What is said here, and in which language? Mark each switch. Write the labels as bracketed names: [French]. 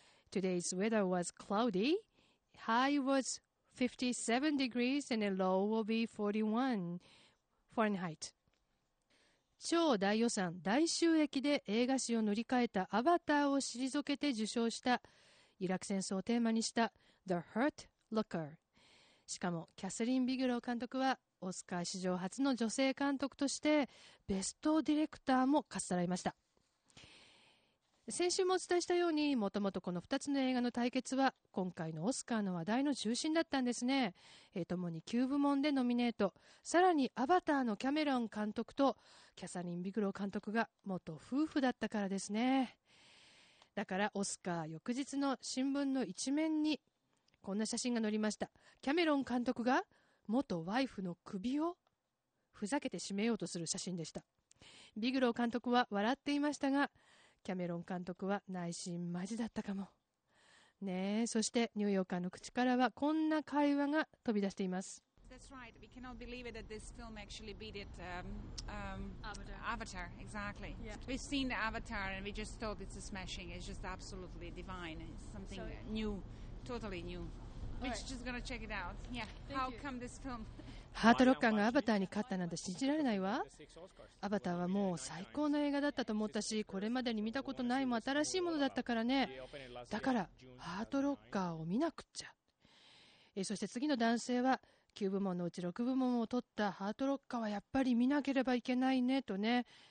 [English] Today's weather was cloudy. High was 57 degrees and a low will be 41 Fahrenheit. [Japanese] 超大予算大収益で映画史を塗り替えたアバターを退けて受賞したイラク戦争をテーマにした The Hurt Locker。しかもキャスリン・ビグロー監督はオスカー史上初の女性監督としてベストディレクターもかっさらいました。先週もお伝えしたように、もともとこの2つの映画の対決は今回のオスカーの話題の中心だったんですね。共に9部門でノミネート。さらにアバターのキャメロン監督とキャサリン・ビグロー監督が元夫婦だったからですね。だからオスカー翌日の新聞の一面にこんな写真が載りました。キャメロン監督が元ワイフの首をふざけて締めようとする写真でした。ビグロー監督は笑っていましたが、キャメロン監督は内心マジだったかもね。え、そしてニューヨーカーの口からはこんな会話が飛び出しています。 [English] That's right. We cannot believe it that this film actually beat it. Avatar. Exactly. Yeah. We've seen the Avatar and we just thought it's a smashing. It's just absolutely divine. It's something new, totally new. We're just gonna check it out. Yeah. How come this film? [Japanese] ハートロッカーがアバターに勝ったなんて信じられないわ。アバターはもう最高の映画だったと思ったし、これまでに見たことないも新しいものだったからね。だからハートロッカーを見なくっちゃ。そして次の男性は9部門のうち6部門を取ったハートロッカーはやっぱり見なければいけないねとね。